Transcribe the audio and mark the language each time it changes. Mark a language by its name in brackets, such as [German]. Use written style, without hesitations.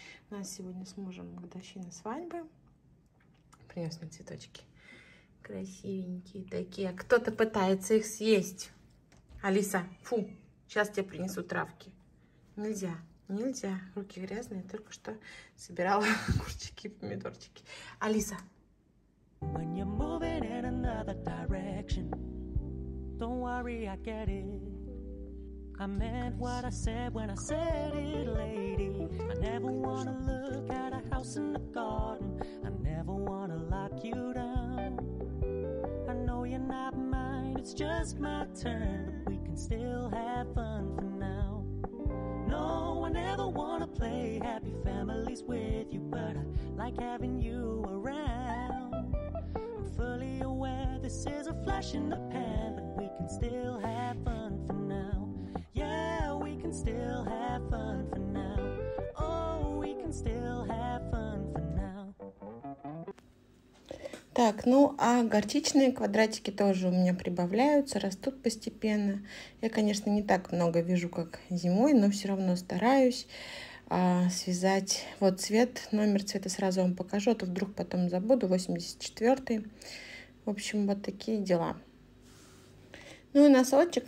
[Russian] У нас сегодня с мужем годовщина свадьбы. Принес мне цветочки. Красивенькие такие. Кто-то пытается их съесть. Алиса, фу, сейчас тебе принесу травки. Нельзя, нельзя. Руки грязные, только что собирала огурчики и помидорчики. Алиса! [English] When you're moving in another direction, don't worry, I get it. I meant what I said when I said it, lady. I never wanna look at a house in the garden. I never wanna lock you down. I know you're not mine, it's just my turn. We can still have fun for now. No, I never wanna play happy families with you, but I like having you around. Fully aware this is a flash in the pan, but we can still have fun for now. Yeah, we can still have fun for now. Oh, we can still have fun for now. [Russian] Так, ну а горчичные квадратики тоже у меня прибавляются, растут постепенно. Я, конечно, не так много вижу, как зимой, но все равно стараюсь связать. Вот цвет, номер цвета сразу вам покажу, а то вдруг потом забуду. 84-й. В общем, вот такие дела. Ну и носочек.